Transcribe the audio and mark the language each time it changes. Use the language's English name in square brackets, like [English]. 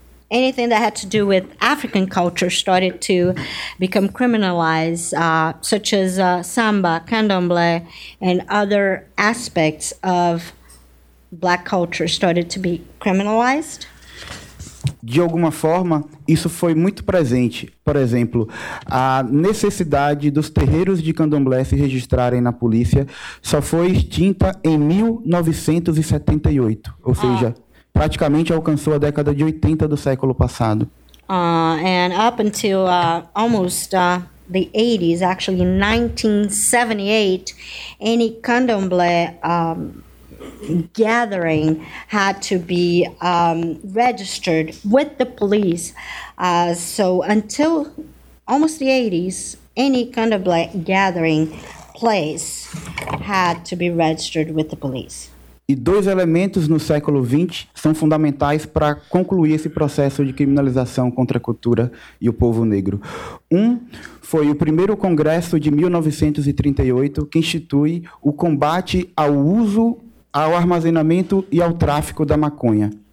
[English] Anything that had to do with African culture started to become criminalized, such as samba, candomblé, and other aspects of Black culture started to be criminalized. [Portuguese] De alguma forma, isso foi muito presente. Por exemplo, a necessidade dos terreiros de candomblé se registrarem na polícia só foi extinta em 1978, ou seja, praticamente alcançou a década de 80 do século passado. [English] And up until almost the 80s, actually 1978, any candomblé gathering had to be registered with the police. So until almost the 80s, any kind of black gathering place had to be registered with the police. [Portuguese] E dois elementos no século 20 são fundamentais para concluir esse processo de criminalização contra a cultura e o povo negro. Um foi o primeiro congresso de 1938 que institui o combate ao uso, ao armazenamento e ao tráfico da maconha.